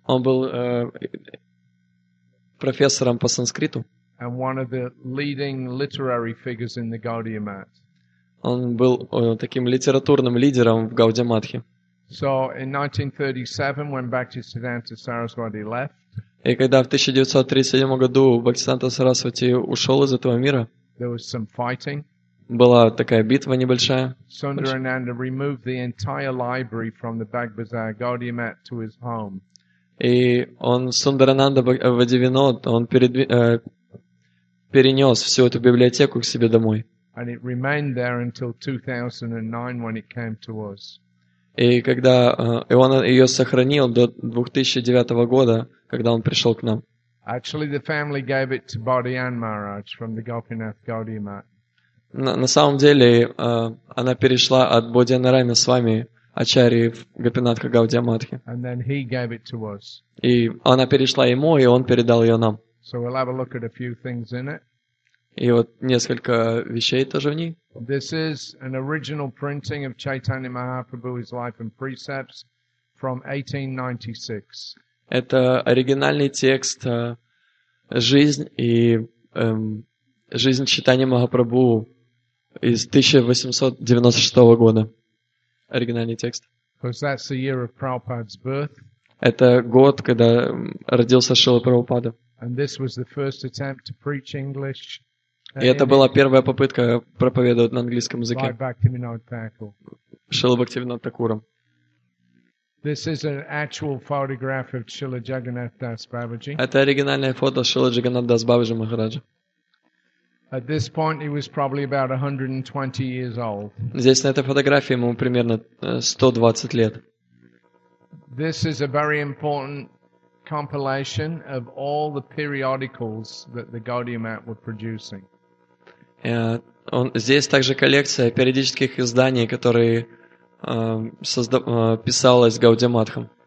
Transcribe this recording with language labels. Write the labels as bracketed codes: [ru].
[ru] Он был профессором по санскриту. [en] And one of the leading literary figures in the Gaudiya Math. [ru] Он был таким литературным лидером в Гаудия Матхе. [en] So in 1937, when Bhaktisiddhanta Saraswati left. [ru] И когда в 1937 году Бхактисиддханта Сарасвати ушел из этого мира, [en] there was some fighting. [ru] Была такая битва небольшая. [en] Сундарананда removed the entire library from the Bag Bazaar Gaudiya Math to his home. [ru] И он Сундарананда Бадивинод, он перенес всю эту библиотеку к себе домой. [en] And it remained there until 2009 when it came to us. [ru] И когда и он ее сохранил до 2009 года, когда он пришел к нам. [en] Actually, the family gave it to Bodhyan Maharaj from the Gopinath Gaudiya Math. [ru] На самом деле, она перешла от Бодхи Нарайана Свами, Ачарьи в Гопинатха Гаудия Матхе. [en] And then he gave it to us. [ru] И она перешла ему, и он передал ее нам. [en] So we'll have a look at a few things in it. [ru] И вот несколько вещей тоже в ней. [en] This is an original printing of Chaitanya Mahaprabhu, his life and precepts from 1896. [ru] Это оригинальный текст «Жизнь и...» Жизнь Чайтаньи Махапрабху из 1896 года. Оригинальный текст. [en] Because that's the year of Prabhupada's birth. [ru] Это год, когда родился Шрила Прабхупада. [en] And this was the first attempt to preach English. [ru] И это была первая попытка проповедовать на английском языке. [en] By Bhaktivinoda Thakur. [ru] Шрила Бхактивинода Такура. [en] This is an actual photograph of Srila Jagannath Das Babaji. [ru] Это оригинальное фото Шрила Джаганнатха Дас Бабаджи Махараджа. [en] At this point, he was probably about 120 years old. [ru] Здесь на этой фотографии ему примерно 120 лет. [en] This is a very important compilation of all the periodicals that the Gaudiya Math were producing. [ru] Он здесь также коллекция периодических изданий, которые писалось Гаудия Матхом.